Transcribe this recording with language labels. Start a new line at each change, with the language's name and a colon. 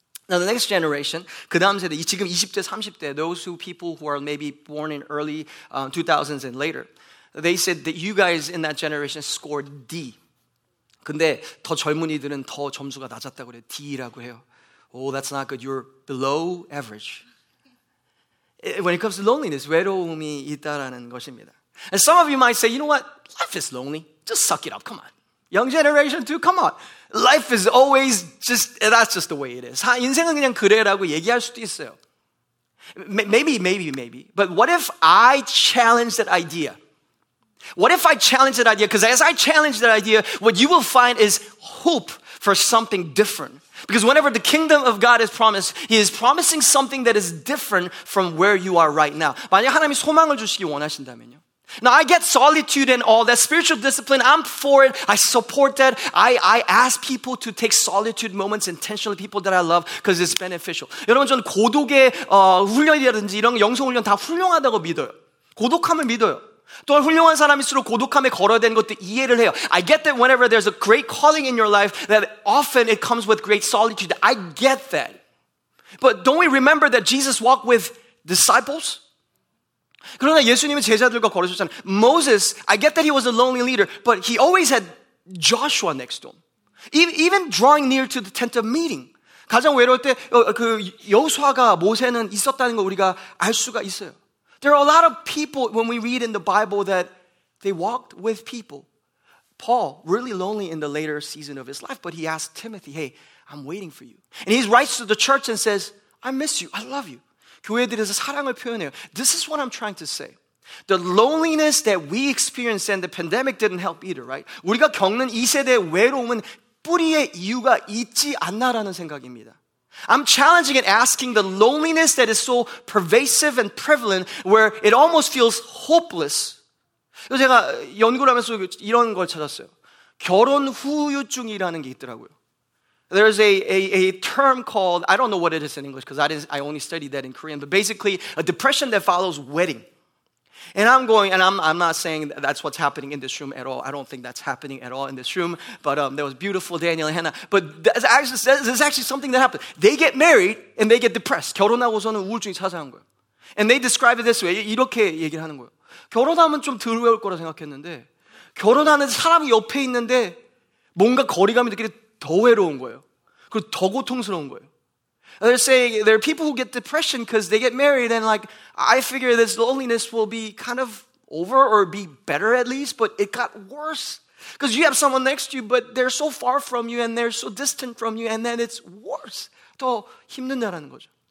English: Now, the next generation,
Korean: 그 다음 세대, 지금 20대, 30대,
English: those who people who are maybe born in early 2000s and later, they said that you guys in that generation scored D.
Korean: 근데 더 젊은이들은 더 점수가 낮았다고 그래요. D라고 해요.
English: Oh, that's not good. You're below average. When it comes to loneliness,
Korean: 외로움이 있다라는 것입니다.
English: And some of you might say, you know what? Life is lonely. Just suck it up. Come on. Young generation too. Come on. Life is always just, that's just the way it is.
Korean: 인생은 그냥 그래라고 얘기할 수도 있어요.
English: Maybe. But what if I challenge that idea? What if I challenge that idea? Because as I challenge that idea, what you will find is hope for something different. Because whenever the kingdom of God is promised, He is promising something that is different from where you are right now.
Korean: 만약 하나님이 소망을 주시기 원하신다면요.
English: Now, I get solitude and all that spiritual discipline. I'm for it. I support that. I ask people to take solitude moments intentionally, people that I love, because it's beneficial.
Korean: 여러분, 저는 고독의 훈련이라든지 이런 영성훈련 다 훌륭하다고 믿어요. 고독함을 믿어요. 또한 훌륭한 사람일수록 고독함에 걸어야 되는 것도 이해를 해요.
English: I get that whenever there's a great calling in your life, that often it comes with great solitude. I get that. But don't we remember that Jesus walked with disciples?
Korean: 그러나 예수님은 제자들과 걸으셨잖아요.
English: Moses, I get that he was a lonely leader, but he always had Joshua next to him. Even drawing near to the tent of meeting.
Korean: 가장 외로울 때 그 여호수아가 모세는 있었다는 걸 우리가 알 수가 있어요.
English: There are a lot of people when we read in the Bible that they walked with people. Paul, really lonely in the later season of his life, but he asked Timothy, hey, I'm waiting for you. And he writes to the church and says, I miss you, I love you.
Korean: 교회들에서 사랑을 표현해요.
English: This is what I'm trying to say. The loneliness that we experienced and the pandemic didn't help either, right?
Korean: 우리가 겪는 이 세대의 외로움은 뿌리의 이유가 있지 않나라는 생각입니다.
English: I'm challenging and asking the loneliness that is so pervasive and prevalent where it almost feels hopeless.
Korean: 제가 연구를 하면서 이런 걸 찾았어요. 결혼 후유증이라는 게 있더라고요.
English: There's a term called, I don't know what it is in English because I only studied that in Korean, but basically a depression that follows wedding. And I'm going, and I'm not saying that that's what's happening in this room at all. I don't think that's happening at all in this room, but there was beautiful Daniel and Hannah. But this is actually something that happened. They get married and they get depressed.
Korean: 결혼하고서는 우울증이 찾아온 거예요.
English: And they describe it this way,
Korean: 이렇게 얘기를 하는 거예요. 결혼하면 좀 덜 외울 거라 생각했는데, 결혼하는 사람이 옆에 있는데 뭔가 거리감이 느껴져 더 외로운 거예요. 그리고 더 고통스러운 거예요.
English: They're saying there are people who get depression because they get married and like, I figure this loneliness will be kind of over or be better at least, but it got worse. Because you have someone next to you, but they're so far from you and they're so distant from you and then it's worse.
Korean: 더 힘든다라는 거죠.